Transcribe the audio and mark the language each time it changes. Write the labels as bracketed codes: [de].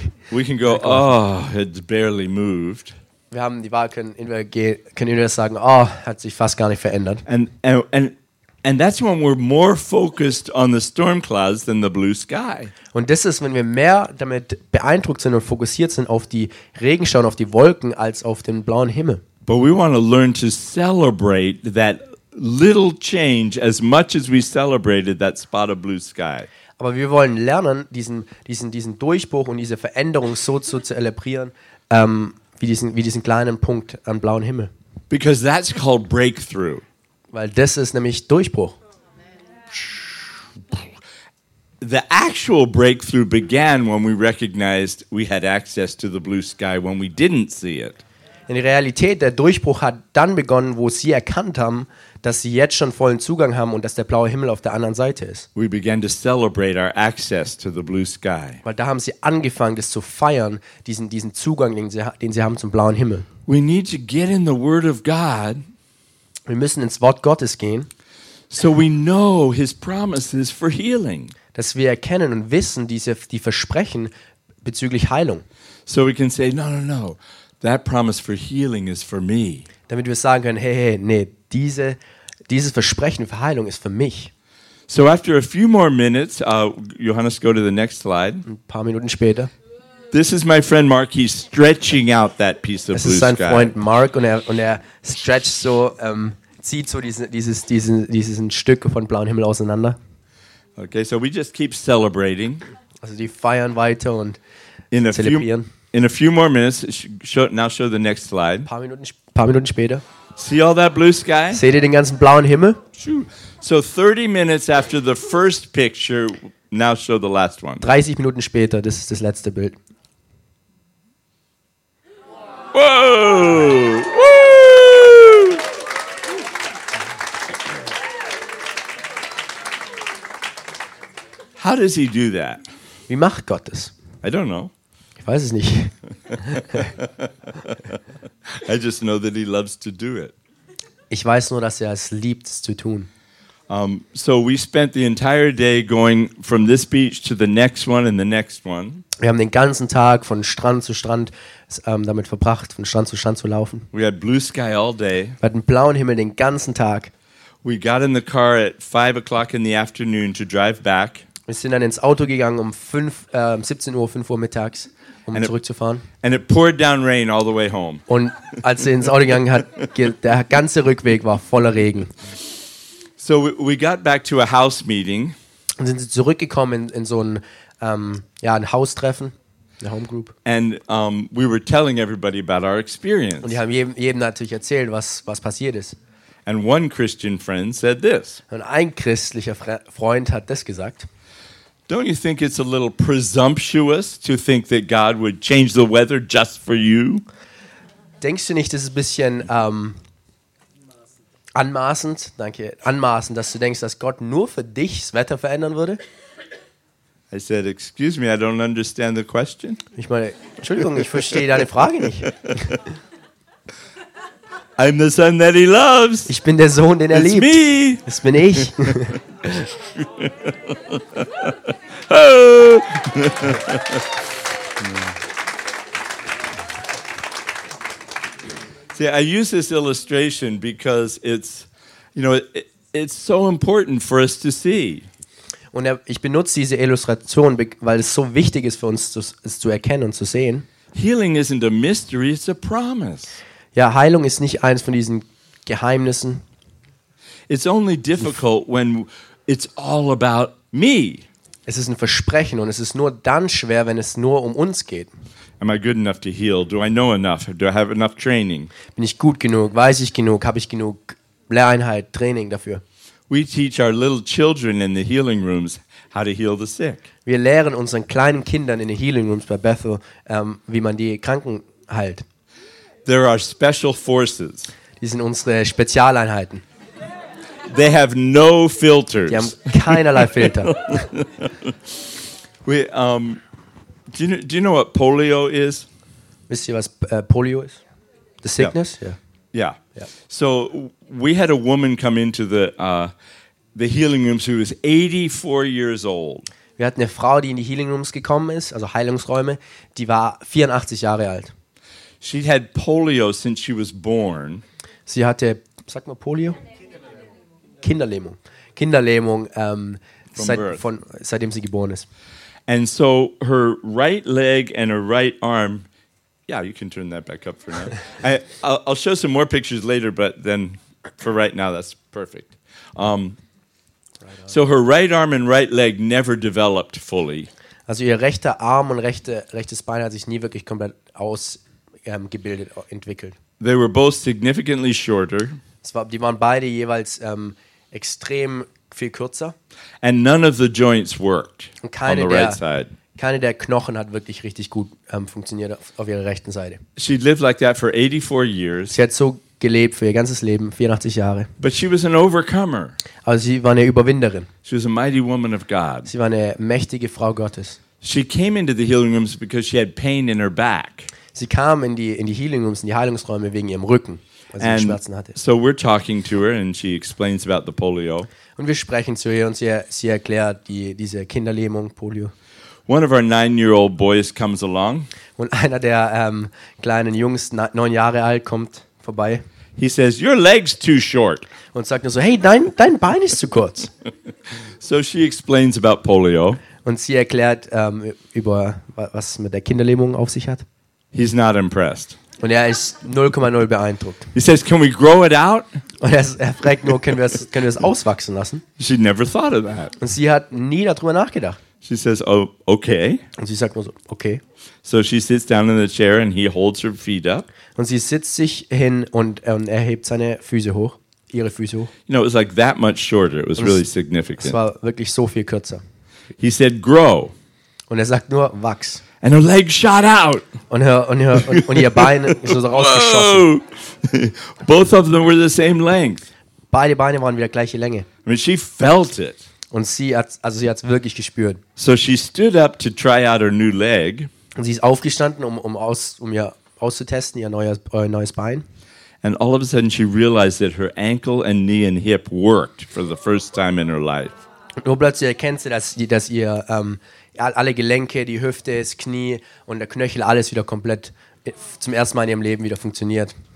[en] We can go, 9,5. Oh, it's barely moved. [de] Wir haben die Wahl, können wir sagen, oh, hat sich fast gar nicht verändert. [en] And that's when we're more focused on the storm clouds than the blue sky. [de] Und das ist, wenn wir mehr damit beeindruckt sind und fokussiert sind auf die Regenschauer, auf die Wolken, als auf den blauen Himmel. [en] But we want to learn to celebrate that little change as much as we celebrated that spot of blue sky. [de] Aber wir wollen lernen, diesen Durchbruch und diese Veränderung so zu zelebrieren, wie diesen kleinen Punkt am blauen Himmel. [en] Because that's called breakthrough. [de] Weil das ist nämlich Durchbruch. [en] The actual breakthrough began when we recognized we had access to the blue sky when we didn't see it. [de] In der Realität, der Durchbruch hat dann begonnen, wo sie erkannt haben, dass sie jetzt schon vollen Zugang haben und dass der blaue Himmel auf der anderen Seite ist. [en] We began to celebrate our access to the blue sky. [de] Weil da haben sie angefangen, das zu feiern, diesen Zugang, den sie haben zum blauen Himmel. [en] We need to get in the Word of God. [de] Wir müssen ins Wort Gottes gehen. [en] So we know his promises for healing. [de] Dass wir erkennen und wissen die Versprechen bezüglich Heilung. [en] So we can say no. That promise for healing is for me. [de] Damit wir sagen können, hey, nee, dieses Versprechen für Heilung ist für mich. [en] So after a few more minutes, Johannes, go to the next slide. [de] Ein paar Minuten später. [en] This is my friend Mark. He's stretching out that piece of blue sky. [de] Das ist sein Freund Mark und er stretcht so, zieht so diesen Stück von blauem Himmel auseinander. [en] Okay, so we just keep celebrating. [de] Also die feiern weiter und zelebrieren. [en] In a few more minutes, show the next slide. [de] Paar Minuten später. [en] See all that blue sky? [de] Seht ihr den ganzen blauen Himmel? [en] So 30 minutes after the first picture, now show the last one. [de] 30 Minuten später, das ist das letzte Bild. Whoa! Woo! [en] How does he do that? [de] Wie macht Gott das? [en] I don't know. [de] Ich weiß es nicht. [en] I just know that he loves to do it. [de] Ich weiß nur, dass er es liebt, es zu tun. [en] So we spent the entire day going from this beach to the next one and the next one. [de] Wir haben den ganzen Tag von Strand zu Strand damit verbracht, von Strand zu Strand zu laufen. [en] We had blue sky all day. [de] Wir hatten blauen Himmel den ganzen Tag. [en] We got in the car at 5 o'clock in the afternoon to drive back. [de] Wir sind dann ins Auto gegangen um 5 Uhr mittags, um and zurückzufahren. [en] And it poured down rain all the way home. [de] Und als wir ins Auto gegangen sind, der ganze Rückweg war voller Regen. [en] So we got back to a house meeting. [de] Und sind zurückgekommen in so ein Haustreffen, eine Home Group. [en] And we were telling everybody about our experience. [de] Und die haben jedem natürlich erzählt, was passiert ist. [en] And one Christian friend said this. [de] Und ein christlicher Freund hat das gesagt. [en] Don't you think it's a little presumptuous to think that God would change the weather just for you? [de] Denkst du nicht, das ist ein bisschen anmaßend, danke, anmaßend, dass du denkst, dass Gott nur für dich das Wetter verändern würde? [en] I said, excuse me, I don't understand the question. [de] Ich meine, Entschuldigung, ich verstehe deine Frage nicht. [en] I'm the son that he loves. [de] Ich bin der Sohn, den er liebt. [en] It's me. [de] Das bin ich. [en] See, I use this illustration because it's, you know, it's so important for us to see. [de] Und ich benutze diese Illustration, weil es so wichtig ist für uns, es zu erkennen und zu sehen. [en] Healing isn't a mystery, it's a promise. [de] Ja, Heilung ist nicht eins von diesen Geheimnissen. [en] It's only difficult when it's all about me. [de] Es ist ein Versprechen und es ist nur dann schwer, wenn es nur um uns geht. [en] Am I good enough to heal? Do I know enough? Do I have enough training? [de] Bin ich gut genug? Weiß ich genug? Habe ich genug Lehreinheit, Training dafür? [en] We teach our little children in the healing rooms how to heal the sick. [de] Wir lehren unseren kleinen Kindern in den Healing Rooms bei Bethel, wie man die Kranken heilt. [en] There are special forces. [de] Die sind unsere Spezialeinheiten. [en] They have no filters. [de] Die haben keinerlei Filter. [en] We, do you know what polio is? [de] Wisst ihr, was Polio ist? [en] The sickness? Yeah. Yeah. Yeah. So we had a woman come into the healing rooms who was 84 years old. [de] Wir hatten eine Frau, die in die Healing Rooms gekommen ist, also Heilungsräume, die war 84 Jahre alt. [en] She had polio since she was born. [de] Sie hatte, sag mal, Polio? Kinderlähmung. Kinderlähmung seitdem sie geboren ist. [en] And so her right leg and her right arm. Yeah, you can turn that back up for now. I'll show some more pictures later, but then for right now, that's perfect. So her right arm and right leg never developed fully. [de] Also ihr rechter Arm und rechtes Bein hat sich nie wirklich komplett ausgebildet, entwickelt. [en] They were both significantly shorter. [de] Die waren beide jeweils extrem viel kürzer. [en] And none of the joints worked on the right side. [de] Keine der Knochen hat wirklich richtig gut funktioniert auf ihrer rechten Seite. [en] She lived like that for 84 years. [de] Sie hat so gelebt für ihr ganzes Leben, 84 Jahre. [en] But she was an overcomer. [de] Also sie war eine Überwinderin. [en] She was a mighty woman of God. [de] Sie war eine mächtige Frau Gottes. [en] She came into the healing rooms because she had pain in her back. [de] Sie kam in die Healing Rooms, in die Heilungsräume wegen ihrem Rücken, weil sie Schmerzen hatte. [en] So we're talking to her and she explains about the polio. [de] Und wir sprechen zu ihr und sie erklärt diese Kinderlähmung, Polio. [en] One of our 9-year-old boys comes along. [de] Und einer der kleinen Jungs, 9 Jahre alt, kommt vorbei. [en] He says, "Your leg's too short." [de] Und sagt nur so, "Hey, dein Bein ist zu kurz." [en] So she explains about polio. [de] Und sie erklärt über was mit der Kinderlähmung auf sich hat. [en] He's not impressed. [de] Und ist 0,0 beeindruckt. [en] He says, "Can we grow it out?" [de] Und fragt nur, können wir es auswachsen lassen? [en] She never thought of that. [de] Und sie hat nie darüber nachgedacht. [en] She says, "Oh, okay." [de] Und sie sagt nur so, okay. [en] So she sits down in the chair and he holds her feet up. [de] Und sie sitzt sich hin und er hebt seine Füße hoch, ihre Füße hoch. [en] You know, it was like that much shorter. It was really significant. [de] Es war wirklich so viel kürzer. [en] He said, "Grow." [de] Und sagt nur, wachs. [en] And her leg shot out. [de] Und ihr Bein ist so rausgeschossen. [en] Both of them were the same length. [de] Beide Beine waren wieder gleiche Länge. [en] I mean, she felt it. [de] Und sie hat es wirklich gespürt. [en] So she stood up to try out her new leg. [de] Und sie ist aufgestanden, auszutesten, ihr neues Bein. [en] And all of a sudden she realized that her ankle and knee and hip worked for the first time in her life. [de] Und nur plötzlich erkennt sie, dass ihr alle Gelenke, die Hüfte, das Knie und der Knöchel, alles wieder komplett zum ersten Mal in ihrem Leben wieder funktioniert.